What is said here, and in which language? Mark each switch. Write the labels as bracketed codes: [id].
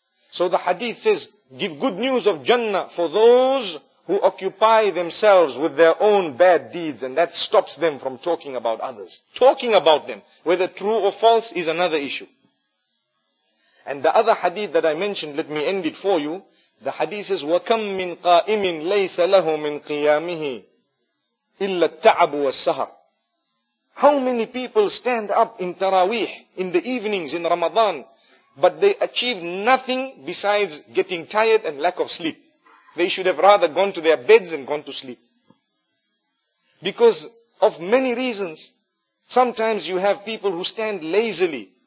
[en] So the hadith says, give good news of Jannah for those who occupy themselves with their own bad deeds, and that stops them from talking about others. Talking about them, whether true or false, is another issue. And the other hadith that I mentioned, let me end it for you. The hadith says, [ar] وَكَمْ مِنْ قَائِمٍ لَيْسَ لَهُ مِنْ قِيَامِهِ إِلَّا التَّعَبُ وَالسَّهَرُ. [en] How many people stand up in Taraweeh, in the evenings, in Ramadan, but they achieve nothing besides getting tired and lack of sleep? They should have rather gone to their beds and gone to sleep. Because of many reasons, sometimes you have people who stand lazily.